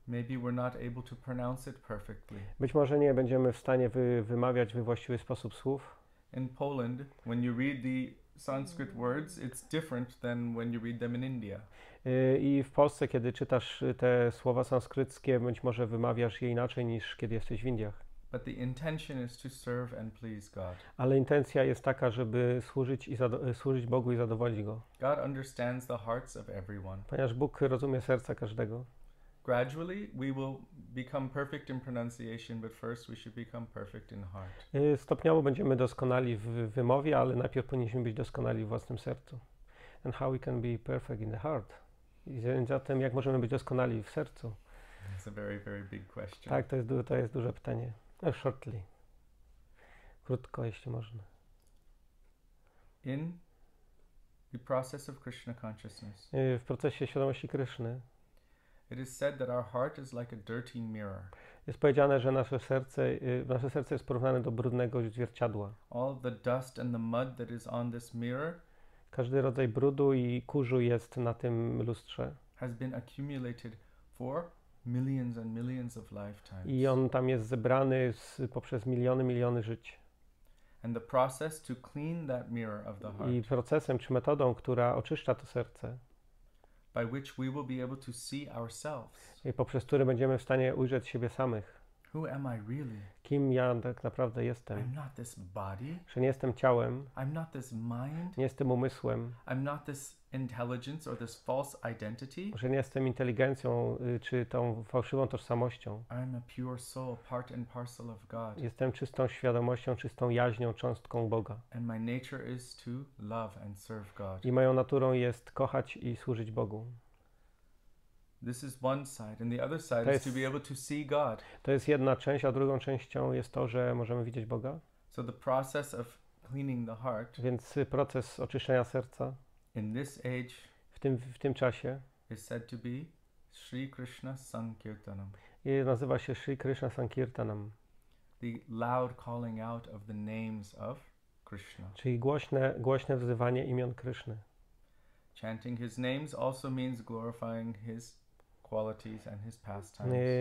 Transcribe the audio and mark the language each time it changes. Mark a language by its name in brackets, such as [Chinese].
[English] Maybe we're not able to pronounce it perfectly. [Polish] Być może nie będziemy w stanie wymawiać we właściwy sposób słów. [English] In Poland, when you read the Sanskrit words, it's different than when you read them in India. [Polish] I w Polsce, kiedy czytasz te słowa sanskryckie, być może wymawiasz je inaczej niż kiedy jesteś w Indiach. [English] But the intention is to serve and please God. [Polish] Ale intencja jest taka, żeby służyć Bogu i zadowolić Go. [English] God understands the hearts of everyone. [Polish] Ponieważ Bóg rozumie serca każdego. [English] Gradually we will become perfect in pronunciation, but first we should become perfect in heart. [Polish] Stopniowo będziemy doskonali w wymowie, ale najpierw powinniśmy być doskonali w własnym sercu. [English] And how we can be perfect in the heart. [Polish] I zatem jak możemy być doskonali w sercu? [English] That's a very, very big question. [Polish] Tak, to jest duże pytanie. [English] Shortly. [Polish] Krótko, jeśli można. [English] In the process of Krishna consciousness. [Polish] W procesie świadomości Kryszny. [English] It is said that our heart is like a dirty mirror. [Polish] Jest powiedziane, że nasze serce jest porównane do brudnego zwierciadła. [English] All the dust and the mud that is on this mirror. [Polish] Każdy rodzaj brudu i kurzu jest na tym lustrze. [English] Has been accumulated for millions and millions of lifetimes. [Polish] I on tam jest zebrany poprzez miliony żyć. [English] And the process to clean that mirror of the heart. [Polish] I procesem czy metodą, która oczyszcza to serce. [English] By which we will be able to see ourselves. [Polish] I poprzez który będziemy w stanie ujrzeć siebie samych. [English] Who am I really? [Polish] Kim ja tak naprawdę jestem? [English] I'm not this body. [Polish] Że nie jestem ciałem. [English] I'm not this mind. [Polish] Nie jestem umysłem. [English] I'm not this intelligence or this false identity. [Polish] Że nie jestem inteligencją czy tą fałszywą tożsamością. [English] I'm a pure soul, part and parcel of God. [Polish] Jestem czystą świadomością, czystą jaźnią, cząstką Boga. [English] And my nature is to love and serve God. [Polish] I moją naturą jest kochać i służyć Bogu. [English] This is one side, and the other side is to be able to see God. [Polish] To jest jedna część, a drugą częścią jest to, że możemy widzieć Boga. [English] So the process of cleaning the heart. [Polish] Więc proces oczyszczenia serca. [English] In this age. [Polish] W tym czasie. [English] Is said to be Sri Krishna Sankirtanam. [Polish] I nazywa się Sri Krishna Sankirtanam. [English] The loud calling out of the names of Krishna. [Polish] Czyli głośne wzywanie imion Kryszny. [English] Chanting his names also means glorifying his qualities and his pastimes.